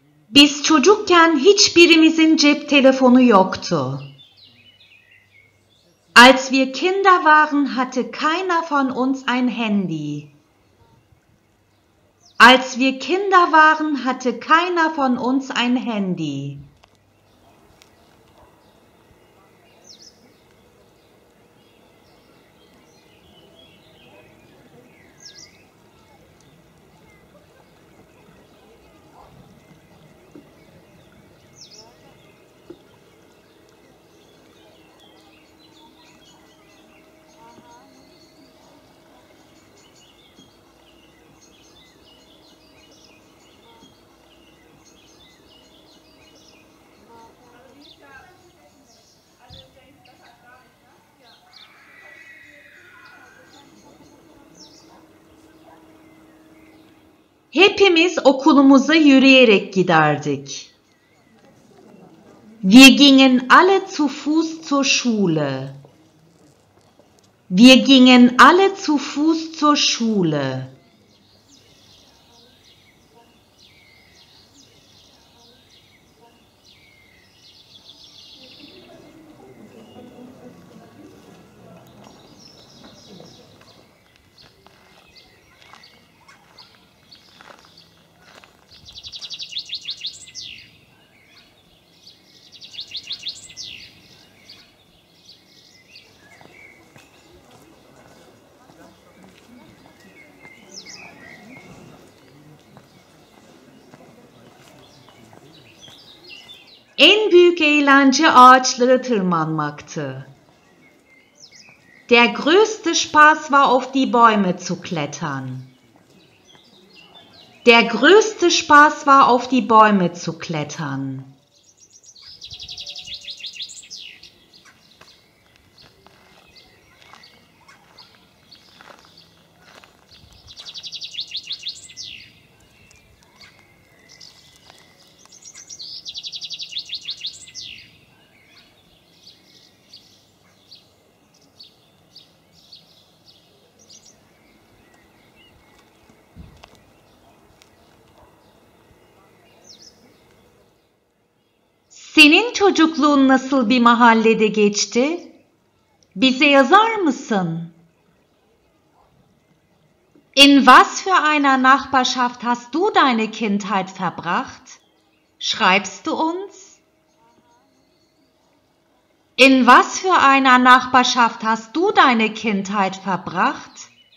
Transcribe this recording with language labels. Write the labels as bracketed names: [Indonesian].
[Turkish] Biz çocukken hiçbirimizin cep telefonu yoktu. [German] Als wir Kinder waren, hatte keiner von uns ein Handy. Als wir Kinder waren, hatte keiner von uns ein Handy. [Turkish] Hepimiz okulumuza yürüyerek giderdik. [German] Wir gingen alle zu Fuß zur Schule. Wir gingen alle zu Fuß zur Schule. [Turkish] En büyük eğlence ağaçlara tırmanmaktı. [German] Der größte Spaß war auf die Bäume zu klettern. Der größte Spaß war auf die Bäume zu klettern. [Turkish] Senin çocukluğun nasıl bir mahallede geçti? Bize yazar mısın? [German] In was für einer Nachbarschaft hast du deine Kindheit verbracht? Schreibst du uns? In was für einer Nachbarschaft hast du deine Kindheit verbracht?